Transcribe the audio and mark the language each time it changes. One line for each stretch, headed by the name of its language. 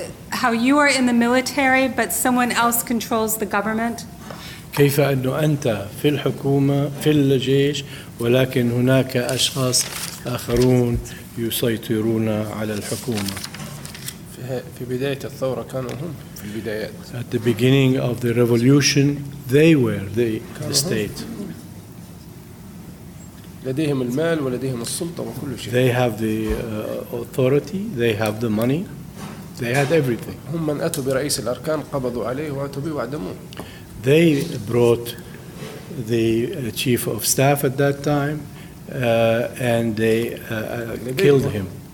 English: How you are in the military, but someone else controls the government?
Arabic: كيف أنه أنت في الحكومة في الجيش ولكن هناك أشخاص آخرون يسيطرون على الحكومة؟ في بداية الثورة كانوا هم في البدايات.
English: At the beginning of the revolution, they were the state.
Arabic: لديهم المال ولديهم السلطة وكل شيء.
English: They have the authority. They have the money. They had everything.
Arabic: هم من أتوا برئيس الأركان قبضوا عليه وأتوا به وعدموه.
English: They brought the chief of staff at that time and they killed him.